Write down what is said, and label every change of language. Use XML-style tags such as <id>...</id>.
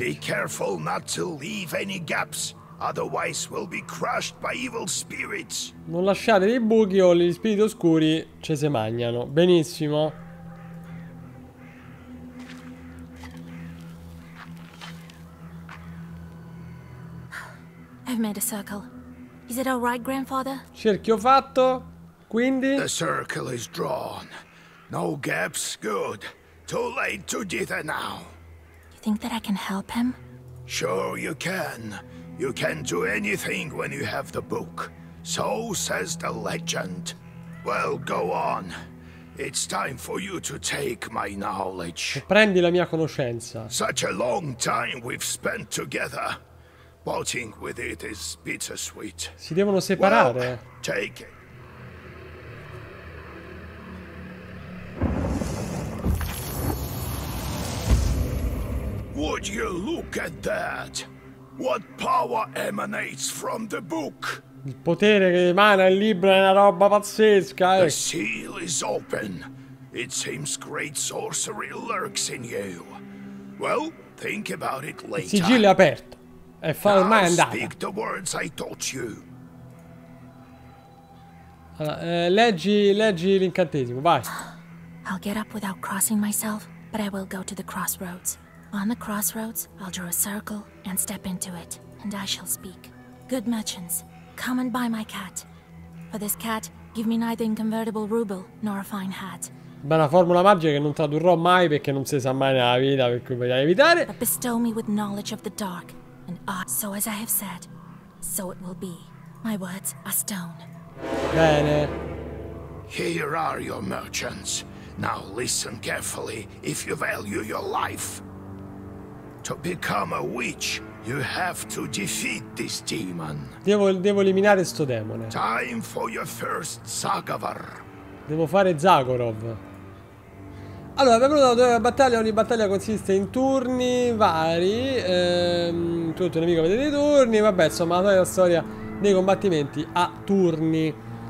<en>Be careful not to leave any gaps, otherwise we'll be crushed by evil spirits.</en> <it>Non lasciate dei buchi o gli spiriti oscuri ce se magnano. Benissimo.</it> <en>I've made a circle. Is it all right, grandfather?</en> <it>Cerchio fatto. Quindi?</it> <en>The circle is drawn. No gaps, good. Too late to dither now. You think that I can help him? Sure you can. You can do anything when you have the book. So says the legend. Well, go on. It's time for you to take my knowledge.</en> <it>Prendi la mia conoscenza.</it> <en>Such a long time we've spent together. Parting with it is bittersweet.</en> <it>Si devono separare.</it> <en>Well, take it. Would you look at that? What power emanates from the book?</en> <it>Il potere che emana il libro è una roba pazzesca, eh?</it> <en>The seal is open. It seems great sorcery lurks in you. Well, think about it later.</en> <it>Il sigillo è aperto. E fa ormai andata.</it> <en>Speak the words I taught you.</en> <it>Allora, leggi l'incantesimo, vai.</it> <en>I'll get up without crossing myself, but I will go to the crossroads. On the crossroads, I'll draw a circle and step into it, and I shall speak. Good merchants, come and buy my cat. For this cat, give me neither inconvertible ruble nor a fine hat.</en> <it>Beh, una formula magica che non tradurrò mai perché non si sa mai nella vita, per cui voglio evitare.</it> <en>But bestow me with knowledge of the dark, and so as I have said, so it will be. My words are stone.</en> <it>Bene.</it> <en>Here are your merchants. Now listen carefully if you value your life. To become a witch, you have to defeat this demon.</en> <it>Devo eliminare sto demone.</it> <en>Time for your first Zagavar.</en> <it>Devo fare Zagorov. Allora, abbiamo dato una battaglia. Ogni battaglia consiste in turni vari. Tutto nemico vede dei turni. Vabbè, insomma, la storia dei combattimenti a turni.</it>